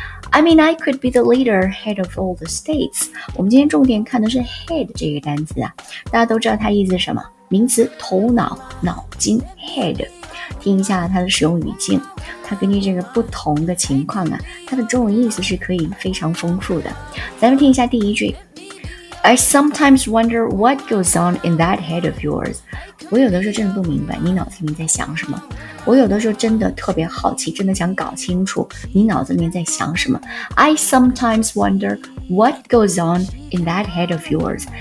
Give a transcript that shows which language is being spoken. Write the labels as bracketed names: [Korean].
[English] I mean, I could be the leader, head of all the states. [Chinese] 我们今天重点看的是 head 这个单词啊，大家都知道它意思是什么？名词，头脑、脑筋 ，head。听一下它的使用语境，它根据这个不同的情况啊，它的中文意思是可以非常丰富的。咱们听一下第一句 [English] ，I sometimes wonder what goes on in that head of yours。 [Chinese] 我有的时候真的不明白你脑子里面在想什么，我有的时候真的特别好奇，真的想搞清楚你脑子里面在想什么。 [English] I sometimes wonder what goes on in that head of yours。